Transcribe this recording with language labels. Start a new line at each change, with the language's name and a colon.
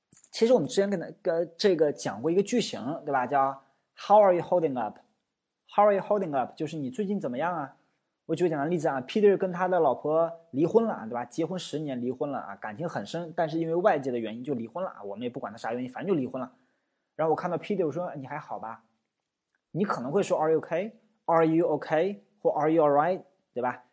Chinese: 其实我们之前跟这个讲过一个句型，对吧？
English: 叫 How are you holding up？How are you holding up？
Chinese: 就是你最近怎么样啊？我举个简单例子啊，Peter 跟他的老婆离婚了，对吧？结婚10年离婚了啊，感情很深，但是因为外界的原因就离婚了啊。我们也不管他啥原因，反正就离婚了。然后我看到 Peter，我说你还好吧？你可能会说
English: Are you okay？Are you okay？ 或 Are you alright？
Chinese: 对吧？